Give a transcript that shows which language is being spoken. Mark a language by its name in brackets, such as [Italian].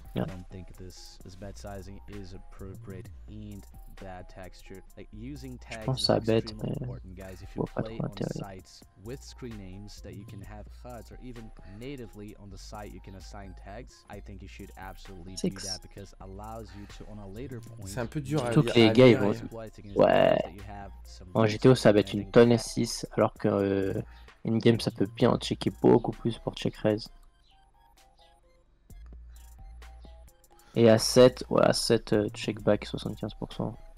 [English] Yeah. I don't think this bet sizing is appropriate and bad texture. Like, using tags [French] je pense à bet, mais... [English] Guys, if you play on sites with screen names that you can have HUDs or even natively on the site you can assign tags, I think you should absolutely do that because it allows you to on a later point... [French] C'est un peu dur surtout que les gars, ils vont... Ouais... En GTO, ça bet une tonne S6, alors que... [English] in-game, [French] ça peut bien checker beaucoup plus pour check raise. Et à 7, ouais, à 7 check back 75%.